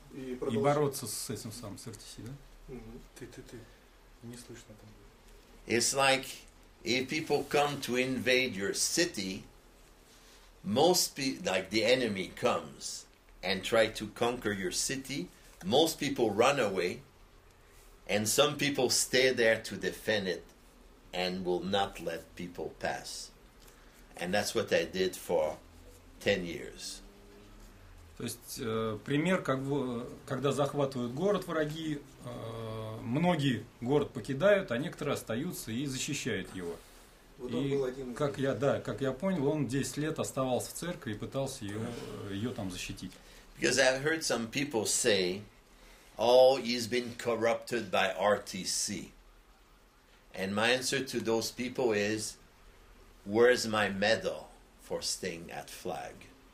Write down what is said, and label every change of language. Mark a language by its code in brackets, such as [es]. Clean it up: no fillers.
[ru] и бороться с этим самым, с RTC, да? Угу. Ты. Не слышно там. [en] It's like if people come to invade your city, most people, like the enemy comes and try to conquer your city, most people run away, and some people stay there to defend it and will not let people pass. And that's what I did for 10 years. [ru] То есть, пример, как бы, когда захватывают город враги, многие город покидают, а некоторые остаются и защищают его. Вот он был один из... как я понял, он 10 лет оставался в церкви и пытался ее там защитить. [en] Because I've heard some people say, oh, he's been corrupted by RTC. And my answer to those people is, where's my medal for staying at FLAG?